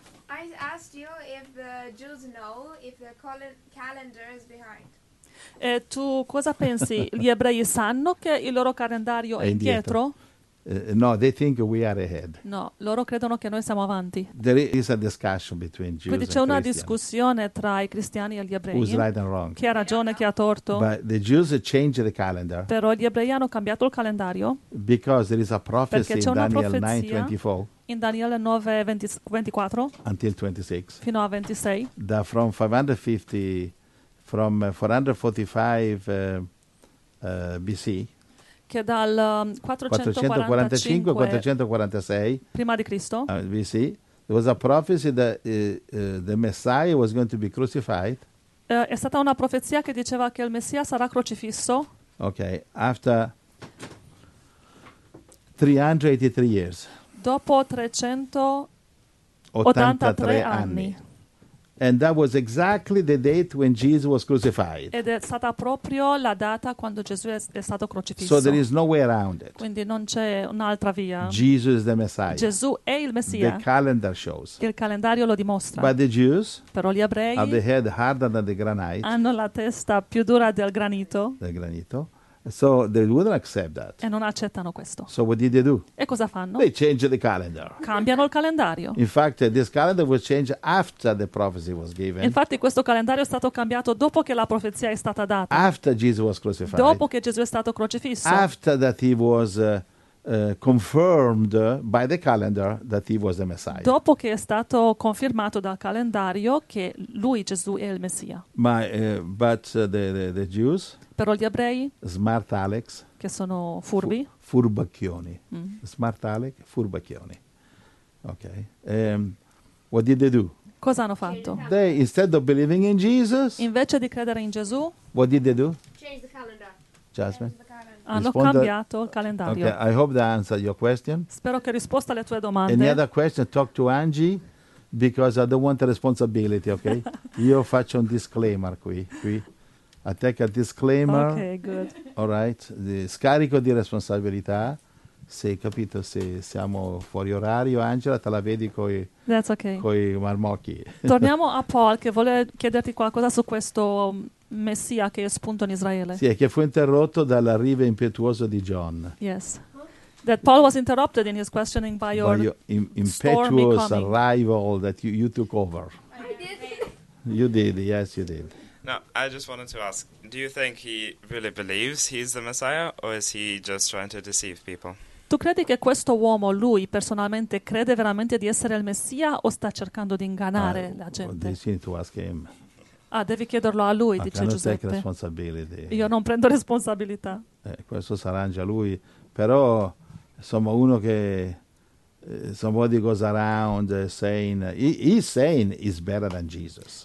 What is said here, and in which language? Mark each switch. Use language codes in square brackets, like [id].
[en] I asked you if the Jews know if the calendar is behind. [it] E tu cosa pensi? Gli ebrei sanno che il loro calendario è indietro? [en] No, they think we are ahead. [it] No, loro credono che noi siamo avanti. [en] There is a discussion between Jews. [it] Quindi c'è una discussione tra i cristiani e gli ebrei. [en] Who's right and wrong? [it] Chi ha ragione, chi ha torto? [en] But the Jews changed the calendar. [it] Però gli ebrei hanno cambiato il calendario. [en] Because there is a prophecy in Daniel 9:24. [it] In Daniele 9:24. [en] Until 26. [it] Fino a 26. [en] That from 445 BC. [it] Che dal 445 prima di Cristo, [en] BC, there was a prophecy that the Messiah was going to be crucified. [it] È stata una profezia che diceva che il Messia sarà crocifisso. [en] Okay, after 383 years. [it] Dopo 383 anni. [en] And that was exactly the date when Jesus was crucified. [it] Ed è stata proprio la data quando Gesù è stato crocifisso. [en] So there is no way around it. [it] Quindi non c'è un'altra via. [en] Jesus is the Messiah. [it] Gesù è il Messia. [en] The calendar shows. [it] Il calendario lo dimostra. [en] But the Jews, [it] però gli ebrei, [en] have the head harder than the granite. [it] Hanno la testa più dura del granito. Del granito. [en] So they wouldn't accept that. [it] E non accettano questo. [en] So what did they do? [it] E cosa fanno? [en] They changed the calendar. [it] Cambiano il calendario. [en] In fact, this calendar was changed after the prophecy was given. [it] Infatti questo calendario è stato cambiato dopo che la profezia è stata data. [en] After Jesus was crucified. [it] Dopo che Gesù è stato crocifisso. [en] After that he was confirmed by the calendar that he was the Messiah. [it] Dopo che è stato confermato dal calendario che lui Gesù è il Messia. [en] But the Jews. [it] Però gli ebrei. [en] Smart Alex. [it] Che sono furbi. Furbacchioni. Mm-hmm. [en] Smart Alex, furbacchioni. Okay. What did they do? [it] Cosa hanno fatto? [en] They instead of believing in Jesus. [it] Invece di credere in Gesù. [en] What did they do? Change the calendar. Jasmine. [it] Hanno cambiato il calendario. [en] Okay, I hope that answered your question. [it] Spero che risposta alle tue domande. [en] Any other question, talk to Angie, because I don't want the responsibility, okay? [it] Io faccio un disclaimer qui. [en] I take a disclaimer. Okay, good. All right. [it] Scarico di responsabilità. Se hai capito, se siamo fuori orario, Angela, te la vedi coi, [en] that's okay. [it] Coi marmocchi. Torniamo a Paul, che vuole chiederti qualcosa su questo Messia che è spunto in Israele. Sì, che fu interrotto dall'arrivo impetuoso di John. [en] Yes. That Paul was interrupted in his questioning by your stormy coming. Impetuous arrival that you took over. I did. You did, yes, you did. No, I just wanted to ask, do you think he really believes he's the Messiah or is he just trying to deceive people? [it] Tu credi che questo uomo, lui personalmente, crede veramente di essere il Messia o sta cercando di ingannare la gente? [en] Well, they need to ask him. [it] Ah, devi chiederlo a lui, dice Giuseppe. [en] Take responsibility. [it] Io non prendo responsabilità. Questo sarà già lui. Però insomma, uno che [en] somebody goes around saying he's saying is better than Jesus.